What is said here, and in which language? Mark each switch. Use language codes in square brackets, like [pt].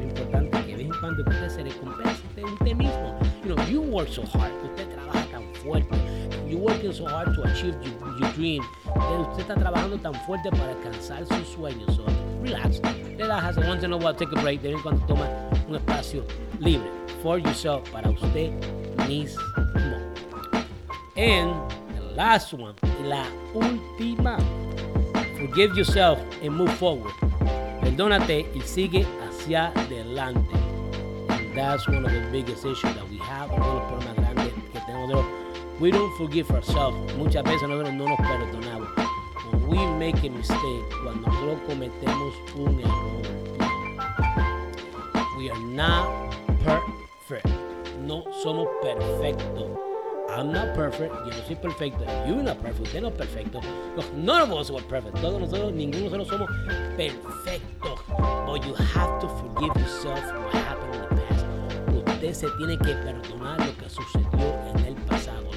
[es] Es importante que de vez en cuando usted se recompense de usted mismo. [en] You know, you work so hard. [es] Usted trabaja tan fuerte. [en] You're working so hard to achieve your dream. [es] Usted está trabajando tan fuerte para alcanzar sus sueños. [en] So relax. [es] Relájase. [en] Once in a while, take a break. [es] De vez en cuando toma un espacio libre [en] for yourself, [es] para usted mismo. [en] And the last one, [es] la última. [en] Forgive yourself and move forward. [es] Perdónate y sigue hacia adelante. [en] And that's one of the biggest issues that we have. [es] Uno de los problemas grandes que tenemos. [en] We don't forgive ourselves. [es] Muchas veces nosotros no nos perdonamos. [en] When we make a mistake, [es] cuando nosotros cometemos un error, [en] we are not perfect. [es] No somos perfectos. [en] I'm not perfect. [es] Yo no soy perfecto. [en] You're not perfect. [es] Usted no es perfecto. [en] None of us were perfect. [es] Todos nosotros, ninguno de nosotros somos perfectos. [en] But you have to forgive yourself what happened in the past. [es] Usted se tiene que perdonar lo que sucedió en el pasado.